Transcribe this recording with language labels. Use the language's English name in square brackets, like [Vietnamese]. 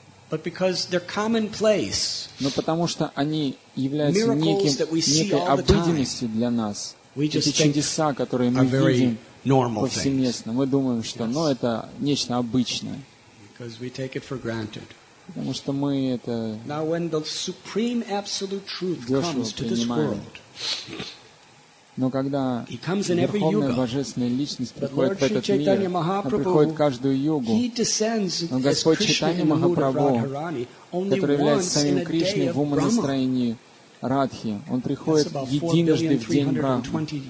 [English] But because they're commonplace, [Russian] но потому что они являются некой обыденностью для нас, эти чудеса, которые мы видим повсеместно, мы думаем, что ну, это нечто обычное. [English] Because we take it for granted. [Russian] Потому что мы это [English] now, when the supreme absolute truth comes to this world, [Russian] но когда Верховная Божественная Личность приходит в этот мир, приходит каждую йогу, но Господь Чайтанья Махапрабху, который является самим Кришной в умонастроении Радхи. Он приходит единожды в день Брахмы.